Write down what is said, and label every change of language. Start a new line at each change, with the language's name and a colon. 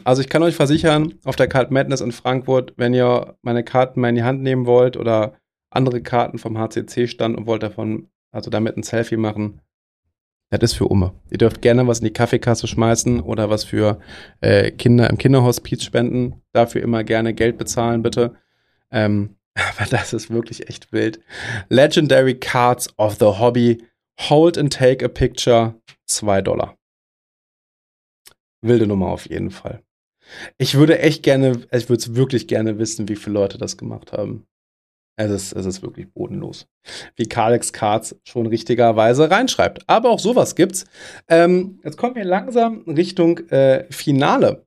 German: Also ich kann euch versichern, auf der Card Madness in Frankfurt, wenn ihr meine Karten mal in die Hand nehmen wollt oder andere Karten vom HCC-Stand und wollt davon, also damit ein Selfie machen, das ist für Umme. Ihr dürft gerne was in die Kaffeekasse schmeißen oder was für Kinder im Kinderhospiz spenden. Dafür immer gerne Geld bezahlen, bitte. Aber das ist wirklich echt wild.
English: Legendary Cards of the Hobby. Hold and take a picture. $2.
German: Wilde Nummer auf jeden Fall. Ich würde es wirklich gerne wissen, wie viele Leute das gemacht haben. Es ist wirklich bodenlos. Wie Kalex Cards schon richtigerweise reinschreibt. Aber auch sowas gibt's. Jetzt kommen wir langsam Richtung Finale.